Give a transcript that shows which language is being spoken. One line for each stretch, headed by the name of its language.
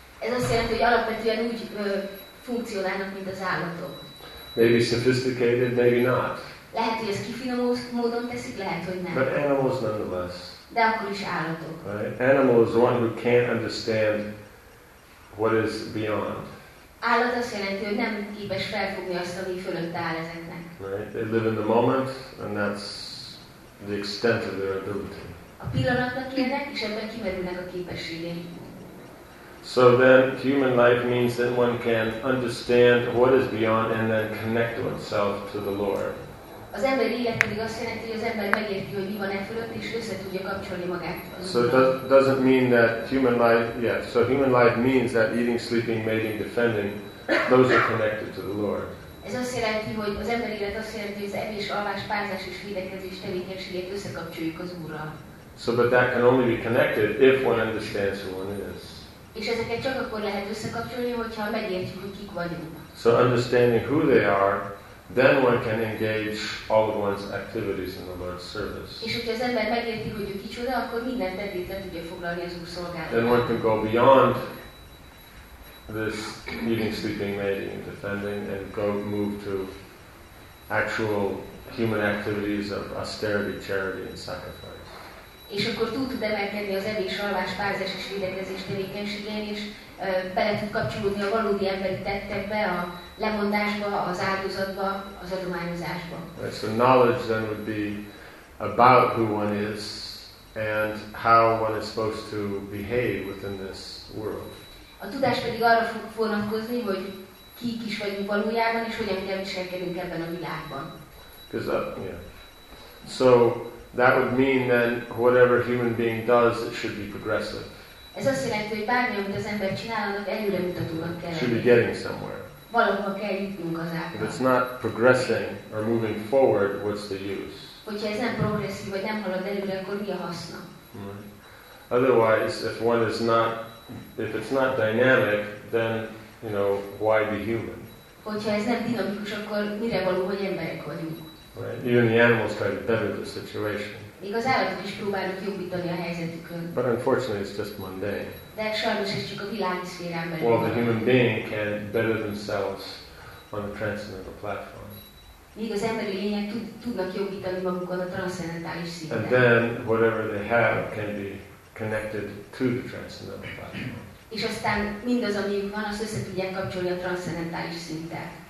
Hungarian: Ez azt jelenti, hogy alapvetően úgy funkcionálnak, mint az állatok.
English: Maybe sophisticated, maybe not.
Hungarian: Lehet, hogy ezt kifinomult módon teszik, lehet, hogy nem.
English: But animals nonetheless.
Hungarian: De akkor is állatok.
English: Right? Animal is the one who can't understand what is beyond.
Hungarian: Állat azt jelenti, hogy nem képes felfogni azt, ami fölött áll ezeknek.
English: Right? They live in the moment, and that's the extent of their ability.
Hungarian: A pillanatnak élnek, és ebben kimerülnek a képességei.
English: So then, human life means that one can understand what is beyond and then connect oneself to the Lord.
Hungarian: Az ember élet pedig azt jelenti, hogy az ember megérti, hogy mi van e fölött, és össze tudja kapcsolni magát.
English: So doesn't mean that human life, yeah, so human life means that eating, sleeping, mating, defending, those are connected to the Lord.
Hungarian: Ez azt jelenti, hogy az ember élet azt jelenti, hogy az evés, alvás, párzás és védekezés tevékenységét összekapcsoljuk az Úrral.
English: So but that can only be connected if one understands who one is.
Hungarian: És ezeket csak akkor lehet összekapcsolni, hogyha megértjük, hogy kik vagyunk.
English: So understanding who they are, then one can engage all of one's activities in the Lord's service.
Hungarian: És hogyha az ember megérti, hogy ő kicsoda, akkor minden tettét le tudja foglalni az Úr szolgálatát.
English: Then one can go beyond this eating, sleeping, mating, and defending, and go move to actual human activities of austerity, charity, and sacrifice.
Hungarian: És akkor túl tud emelkedni az evés, alvás, párzás és védekezés tevékenységén, és bele tud kapcsolódni a valódi emberi tettekbe, a lemondásba, az áldozatba, az adományozásba.
English: Right, so knowledge then would be about who one is and how one is supposed to behave within this world.
Hungarian: A tudás pedig arra fog vonatkozni, hogy kik is vagyunk valójában, és hogyan kell viselkedünk ebben a világban.
English: So that would mean that whatever human being does, it should be progressive.
Hungarian: Ez azt jelenti, hogy bármi, amit az ember csinál, annak előremutatónak kell.
English: Should be getting somewhere.
Hungarian: Valahova kell jutnunk az által.
English: If it's not progressing or moving forward, what's the use?
Hungarian: Hogyha ez nem progresszív, vagy nem halad előre, akkor mi a haszna?
English: Otherwise, if one is not, if it's not dynamic, then, you know, why be human?
Hungarian: Hogyha ez nem dinamikus, akkor mire való, hogy emberek vagyunk?
English: Right. Even the animals try to better the situation.
Hungarian: Még az állatok is próbálnak jobbítani a helyzetükön.
English: But unfortunately, it's just mundane.
Hungarian: De sajnos ez csak a világi szférán belül.
English: Well, the human being can better themselves on the transcendental platform.
Hungarian: Még az emberi lények tudnak jobbítani magukon a transzcendentális szinten.
English: And then whatever they have can be connected to the transcendental platform.
Hungarian: És aztán mindaz, ami van, azt össze tudják kapcsolni a transzcendentális szinten.